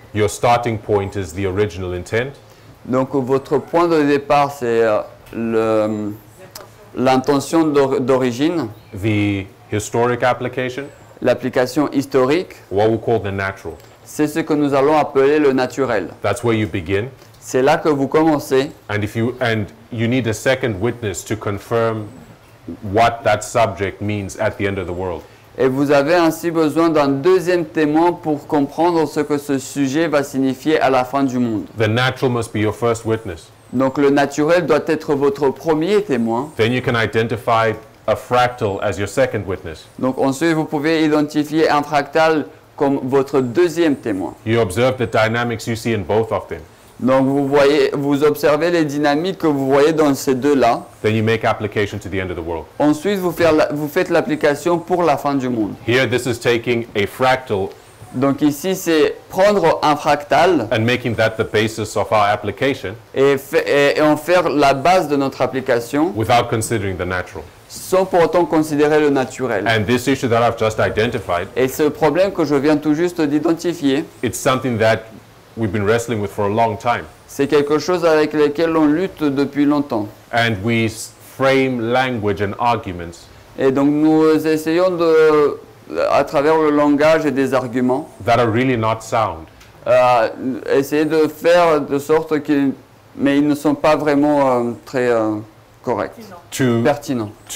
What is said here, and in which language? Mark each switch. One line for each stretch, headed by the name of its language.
English: Your starting point is the original intent.
French: Donc votre point de départ c'est l'intention d'origine.
English: The historic application.
French: L'application historique.
English: What we call the natural.
French: C'est ce que nous allons appeler le naturel.
English: That's where you begin.
French: C'est là que vous commencez.
English: And you need a second witness to confirm what that subject means at the end of the world.
French: Et vous avez ainsi besoin d'un deuxième témoin pour comprendre ce que ce sujet va signifier à la fin du monde.
English: The natural must be your first witness.
French: Donc le naturel doit être votre premier témoin.
English: Then you can identify a fractal as your second witness.
French: Donc ensuite vous pouvez identifier un fractal comme votre deuxième témoin.
English: You observe the dynamics you see in both of them.
French: Donc vous voyez, vous observez les dynamiques que vous voyez dans ces deux-là.
English: Then you make application to the end of the world.
French: Ensuite, vous faites l'application pour la fin du monde.
English: Here, this is taking a fractal.
French: Donc ici, c'est prendre un fractal.
English: And making that the basis of our application.
French: Et en faire la base de notre application.
English: Without considering the natural.
French: Sans pour autant considérer le naturel.
English: And this issue that I've just identified.
French: Et ce problème que je viens tout juste d'identifier.
English: It's something that we've been wrestling with for a long time.
French: C'est quelque chose avec lequel on lutte depuis longtemps.
English: And we frame language and arguments.
French: Et donc nous essayons de, à travers le langage et des arguments,
English: that are really not sound.
French: Essayer de faire de sorte qu'ils, mais ils ne sont pas vraiment très corrects, pertinents.